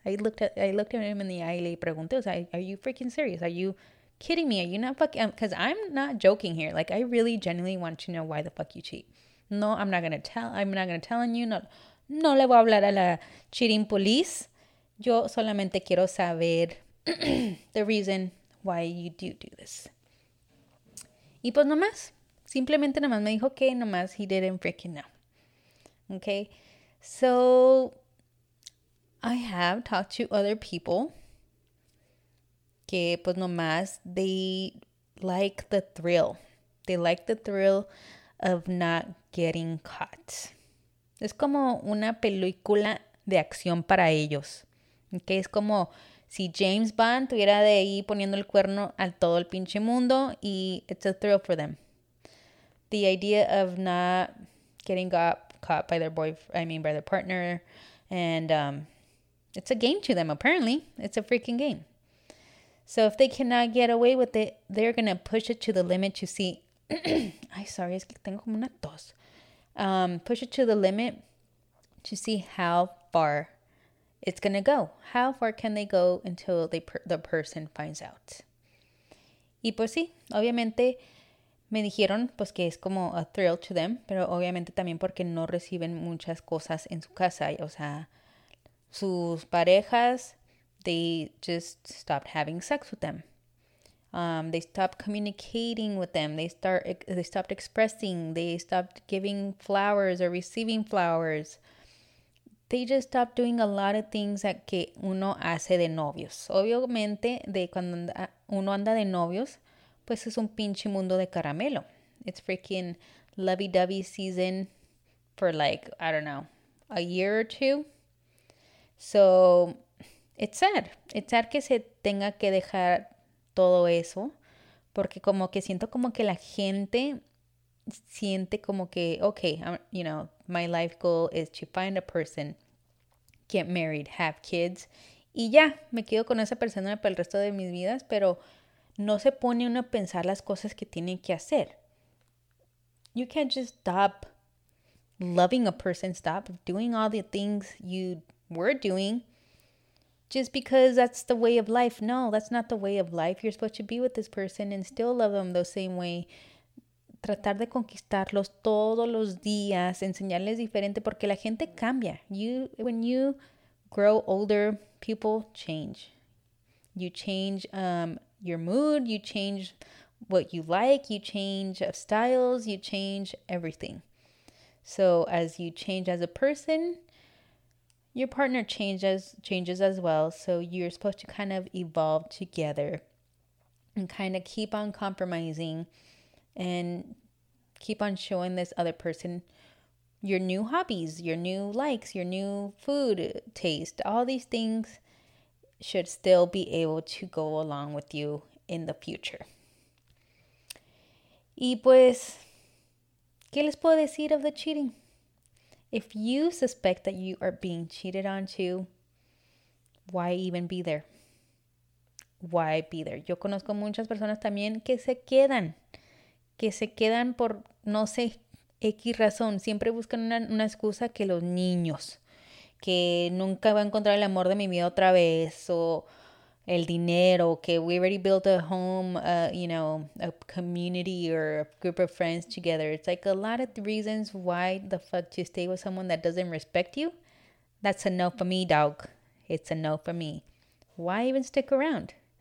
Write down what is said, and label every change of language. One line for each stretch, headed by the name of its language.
English: I looked at him in the eye
Spanish: y le pregunté, o sea,
English: are you freaking serious? Are you kidding me? Are you not fucking, because I'm not joking here. Like, I really genuinely want to know why the fuck you cheat. No, I'm not gonna tell you.
Spanish: No le voy a hablar a la
English: cheating police.
Spanish: Yo solamente quiero saber
English: the reason why you do this.
Spanish: Y pues nomás. Simplemente nomás me dijo que nomás
English: he didn't freaking know.
Spanish: Okay.
English: So, I have talked to other people
Spanish: que pues nomás
English: they like the thrill. They like the thrill of not getting caught.
Spanish: Es como una película de acción para ellos. Que es como si James Bond tuviera de ahí poniendo el cuerno a todo el pinche mundo y
English: it's a thrill for them. The idea of not getting caught by their boyfriend, by their partner. And it's a game to them, apparently. It's a freaking game. So if they cannot get away with it, they're going to push it to the limit to see.
Spanish: Ay, sorry, es que tengo como una tos.
English: Push it to the limit to see how far it's going to go. How far can they go until the person finds out?
Spanish: Y pues sí, obviamente me dijeron pues que es como
English: a thrill to them,
Spanish: pero obviamente también porque no reciben muchas cosas en su casa. O sea, sus parejas,
English: they just stopped having sex with them. They stopped communicating with them. They stopped expressing. They stopped giving flowers or receiving flowers. They just stopped doing a lot of things that
Spanish: que uno hace de novios. Obviamente, de cuando uno anda de novios, pues es un pinche mundo de caramelo.
English: It's freaking lovey-dovey season for like, I don't know, a year or two. So, it's sad. It's sad
Spanish: que se tenga que dejar todo eso. Porque como que siento como que la gente siente como que,
English: okay, you know, my life goal is to find a person, get married, have kids,
Spanish: y ya, me quedo con esa persona para el resto de mis vidas, pero no se pone uno a pensar las cosas que tienen que hacer.
English: You can't just stop loving a person, stop doing all the things you were doing just because that's the way of life. No, that's not the way of life. You're supposed to be with this person and still love them the same way.
Spanish: Tratar de conquistarlos todos los días, enseñarles diferente, porque la gente cambia.
English: When you grow older, people change. You change your mood, you change what you like, you change styles, you change everything. So as you change as a person, your partner changes as well. So you're supposed to kind of evolve together and kind of keep on compromising and keep on showing this other person your new hobbies, your new likes, your new food taste, all these things should still be able to go along with you in the future.
Spanish: Y pues, ¿qué les puedo decir
English: of the cheating? If you suspect that you are being cheated on too, why even be there? Why be there?
Spanish: Yo conozco muchas personas también que se quedan. Que se quedan por, no sé, X razón. Siempre buscan una excusa que los niños. Que nunca va a encontrar el amor de mi vida otra vez. O el dinero.
English: Que we already built a home, you know, a community or a group of friends together. It's like a lot of reasons why the fuck to stay with someone that doesn't respect you. That's a no for me, dog. It's a no for me. Why even stick around?